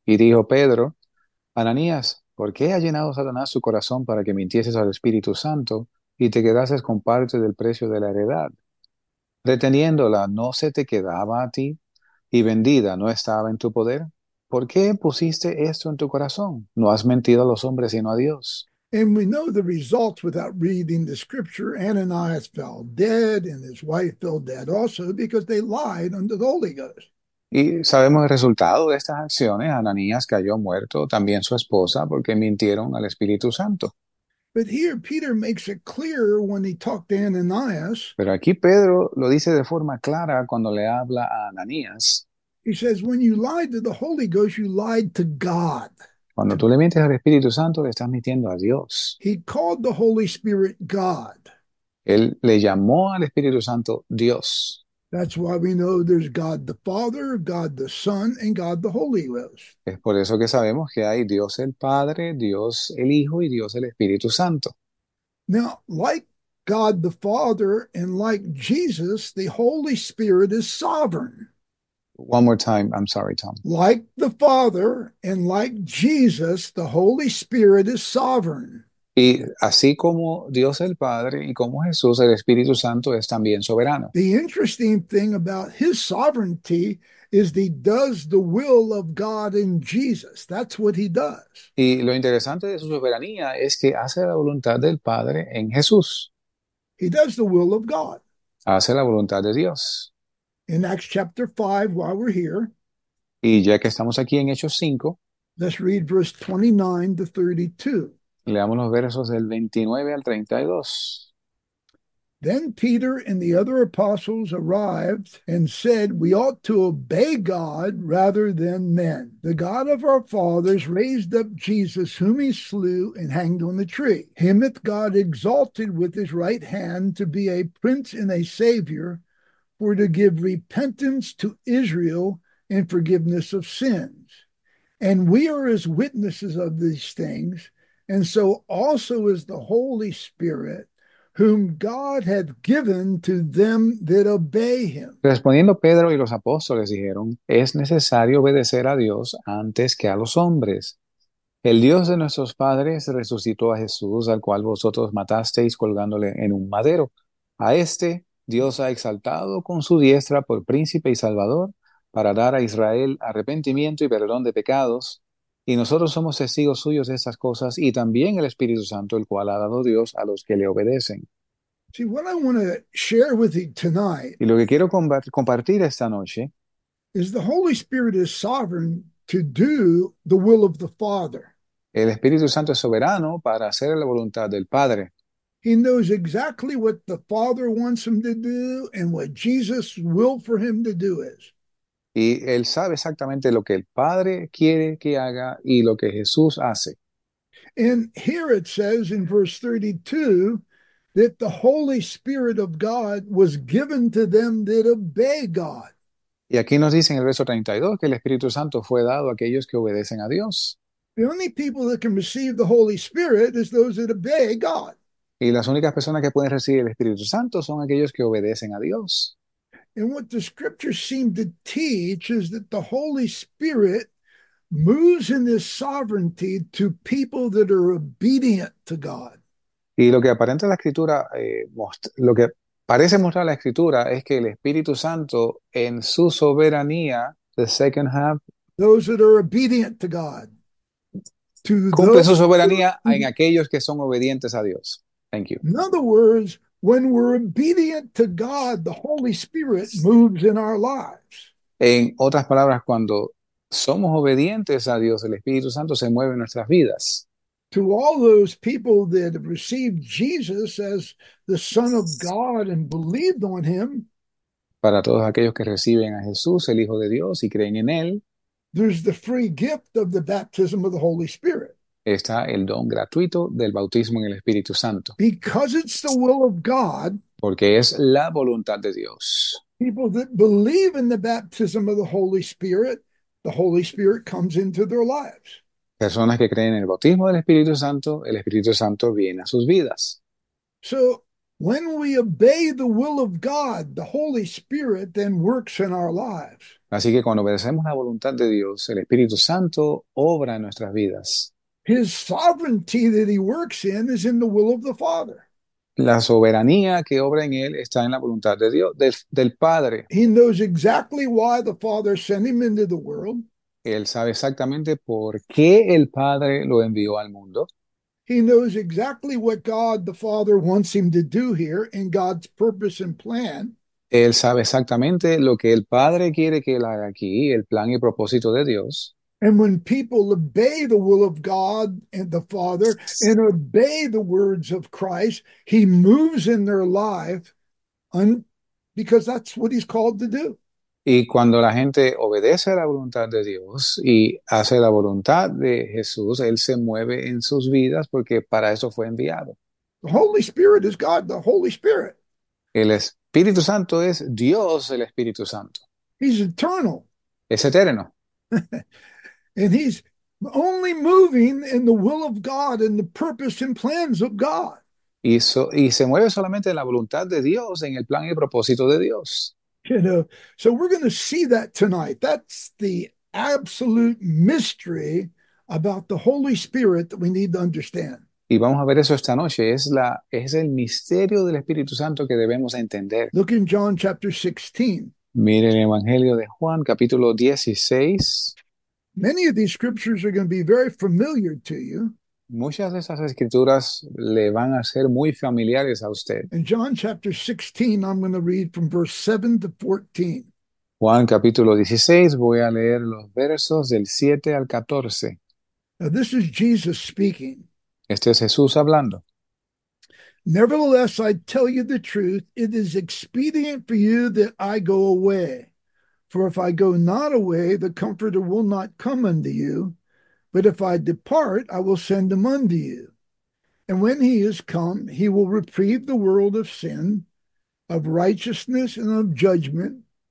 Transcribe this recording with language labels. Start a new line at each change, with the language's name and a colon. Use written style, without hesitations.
Spanish: Y dijo Pedro, Ananías, ¿por qué ha llenado Satanás su corazón para que mintieses al Espíritu Santo y te quedases con parte del precio de la heredad? Reteniéndola, ¿no se te quedaba a ti? Y vendida, ¿no estaba en tu poder? ¿Por qué pusiste esto en tu corazón? No has mentido a los hombres, sino a Dios.
English: And we know the results without reading the scripture. Ananias fell dead and his wife fell dead also because they lied unto the Holy Ghost.
Spanish: Y sabemos el resultado de estas acciones. Ananías cayó muerto, también su esposa, porque mintieron al Espíritu Santo.
English: But here Peter makes it clear when he talked to Ananias.
Spanish: Pero aquí Pedro lo dice de forma clara cuando le habla a Ananías.
English: He says, when you lied to the Holy Ghost, you lied to God.
Spanish: Cuando tú le mientes al Espíritu Santo, le estás mintiendo a Dios.
English: He called the Holy Spirit God.
Spanish: Él le llamó al Espíritu Santo Dios.
English: That's why we know there's God the Father, God the Son, and God the Holy Ghost.
Spanish: Es por eso que sabemos que hay Dios el Padre, Dios el Hijo y Dios el Espíritu Santo.
English: Now, like God the Father and like Jesus, the Holy Spirit is sovereign. One more time. I'm sorry, Tom. Like the Father and like Jesus, the Holy Spirit is sovereign.
Spanish: Y así como Dios el Padre y como Jesús, el Espíritu Santo es también soberano.
English: The interesting thing about his sovereignty is that he does the will of God in Jesus. That's what he does.
Spanish: Y lo interesante de su soberanía es que hace la voluntad del Padre en Jesús.
English: He does the will of God.
Spanish: Hace la voluntad de Dios.
English: In Acts chapter 5, while we're here,
Spanish: y ya que estamos aquí en Hechos 5,
English: let's read verse 29 to 32.
Spanish: Leamos los versos del 29 al 32.
English: Then Peter and the other apostles arrived and said, we ought to obey God rather than men. The God of our fathers raised up Jesus, whom he slew and hanged on the tree. Him hath God exalted with his right hand to be a prince and a savior, for to give repentance to Israel and forgiveness of sins. And we are as witnesses of these things, and so also is the Holy Spirit, whom God hath given to them that obey him.
Spanish: Respondiendo Pedro y los apóstoles dijeron, es necesario obedecer a Dios antes que a los hombres. El Dios de nuestros padres resucitó a Jesús, al cual vosotros matasteis colgándole en un madero. A este Dios ha exaltado con su diestra por príncipe y salvador para dar a Israel arrepentimiento y perdón de pecados. Y nosotros somos testigos suyos de estas cosas y también el Espíritu Santo, el cual ha dado Dios a los que le obedecen.
English: See, what I want to share with you tonight
Spanish: Y lo que quiero compartir esta noche
English: is the Holy Spirit is sovereign to do the will of the Father.
Spanish: El Espíritu Santo es soberano para hacer la voluntad del Padre.
English: He knows exactly what the Father wants him to do and what Jesus' will for him to do is.
Spanish: Y él sabe exactamente lo que el Padre quiere que haga y lo que Jesús hace.
English: And here it says in verse 32 that the Holy Spirit of God was given to them that obey God.
Spanish: Y aquí nos dice en el verso 32 que el Espíritu Santo fue dado a aquellos que obedecen a Dios.
English: The only people that can receive the Holy Spirit is those that obey God.
Spanish: Y las únicas personas que pueden recibir el Espíritu Santo son aquellos que obedecen a Dios.
English: And what the scriptures seem to teach is that the Holy Spirit moves in this sovereignty to people that are obedient to God.
Spanish: Y lo que aparenta la escritura, lo que parece mostrar la escritura es que el Espíritu Santo en su soberanía,
English: the second half, Those that are obedient to God, to
Spanish: cumple su
English: those
Spanish: soberanía
English: who are
Spanish: en
English: obedient.
Spanish: aquellos que son obedientes a Dios.
English: Thank you. In other words, when we're obedient to God, the Holy Spirit moves in our lives.
Spanish: En otras palabras, cuando somos obedientes a Dios, el Espíritu Santo se mueve en nuestras vidas.
English: To all those people that have received Jesus as the Son of God and believed on him,
Spanish: Para todos aquellos que reciben a Jesús, el Hijo de Dios, y creen en Él,
English: there's the free gift of the baptism of the Holy Spirit.
Spanish: está el don gratuito del bautismo en el Espíritu Santo.
English: Because it's the will of God,
Spanish: Porque es la voluntad de Dios.
English: people that believe in the baptism of the Holy Spirit comes into their lives.
Spanish: Personas que creen en el bautismo del Espíritu Santo, el Espíritu Santo viene a sus vidas.
English: So when we obey the will of God, the Holy Spirit then works in our lives.
Spanish: Así que cuando obedecemos la voluntad de Dios, el Espíritu Santo obra en nuestras vidas.
English: His sovereignty that he works in is in the will of the Father.
Spanish: La soberanía que obra en él está en la voluntad de Dios, del Padre.
English: He knows exactly why the Father sent him into the world.
Spanish: Él sabe exactamente por qué el Padre lo envió al mundo.
English: He knows exactly what God the Father wants him to do here in God's purpose and plan.
Spanish: Él sabe exactamente lo que el Padre quiere que él haga aquí, el plan y propósito de Dios.
English: And when people obey the will of God and the Father and obey the words of Christ, he moves in their life because that's what he's called to do.
Spanish: Y cuando la gente obedece a la voluntad de Dios y hace la voluntad de Jesús, Él se mueve en sus vidas porque para eso fue enviado.
English: The Holy Spirit is God, the Holy Spirit.
Spanish: El Espíritu Santo es Dios, el Espíritu Santo.
English: He's eternal.
Spanish: Es eterno.
English: And he's only moving in the will of God and the purpose and plans of God.
Spanish: Y se mueve solamente en la voluntad de Dios, en el plan y el propósito de Dios.
English: So we're going to see that tonight. That's the absolute mystery about the Holy Spirit that we need to understand.
Spanish: Y vamos a ver eso esta noche. Es el misterio del Espíritu Santo que debemos entender.
English: Look in John chapter 16.
Spanish: Miren el Evangelio de Juan, capítulo 16.
English: Many of these scriptures are going to be very familiar to you.
Spanish: Muchas de esas escrituras le van a ser muy familiares a usted.
English: In John chapter 16, I'm going to read from verse 7 to 14.
Spanish: Juan, capítulo 16, voy a leer los versos del 7 al 14.
English: Now, this is Jesus speaking.
Spanish: Este es Jesús hablando.
English: Nevertheless, I tell you the truth, it is expedient for you that I go away. For if I go not away, the Comforter will not come unto you. But if I depart, I will send him unto you. And when he is come, he will reprieve the world of sin, of righteousness, and of judgment.